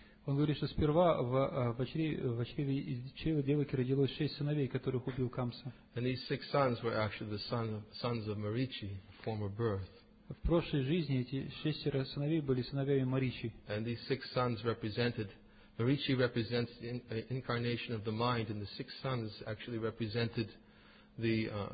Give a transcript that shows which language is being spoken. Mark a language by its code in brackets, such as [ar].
[ru] Он говорит, что сперва в чреве из чрева Девики родилось шесть сыновей, которых убил Камса. [en] And these six sons were actually the sons of Marichi, former birth. [ru] В прошлой жизни эти шестеро сыновей были сыновьями Маричи. [en] And these six sons represented, Marichi represents the incarnation of the mind, and the six sons actually represented the